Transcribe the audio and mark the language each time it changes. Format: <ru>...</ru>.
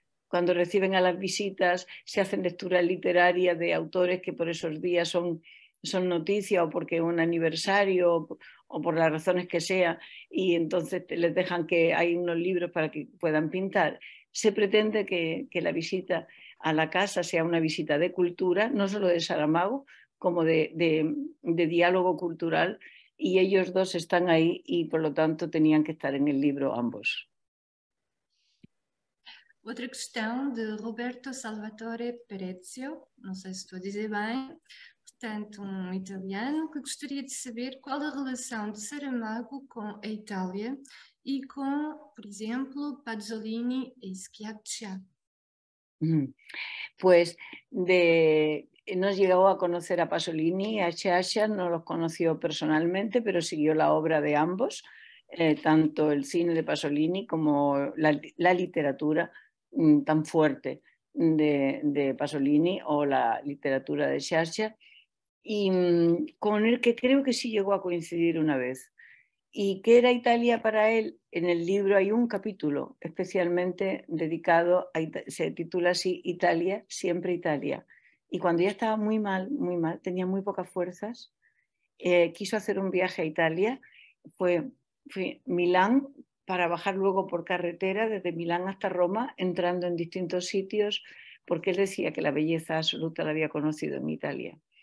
<es>Cuando reciben a las visitas, se hacen lectura literaria de autores que por esos días son noticia, o porque es un aniversario, o por las razones que sea, y entonces les dejan que hay unos libros para que puedan pintar. Se pretende que la visita a la casa sea una visita de cultura, no solo de Saramago, como de diálogo cultural, y ellos dos están ahí y por lo tanto tenían que estar en el libro ambos.</es> <pt>Outra questão de Roberto Salvatore Perezio, não sei se estou a dizer bem, portanto um italiano, que gostaria de saber qual a relação de Saramago com a Itália e com, por exemplo, Pasolini e Schiaccia. Pois, não chegou a conhecer a Pasolini e a Schiaccia, não os conheceu personalmente, mas seguiu a obra de ambos,</pt> <es>tanto o cine de Pasolini como a literatura tan fuerte de Pasolini, o la literatura de Schiaccia, y con el que creo que sí llegó a coincidir una vez. ¿Y qué era Italia para él? En el libro hay un capítulo especialmente dedicado, se titula así: Italia, siempre Italia. Y cuando ya estaba muy mal, tenía muy pocas fuerzas, quiso hacer un viaje a Italia, fue Milán, para bajar luego por carretera desde Milán hasta Roma, entrando en distintos sitios, porque él decía que la belleza absoluta la había conocido en Italia.</es>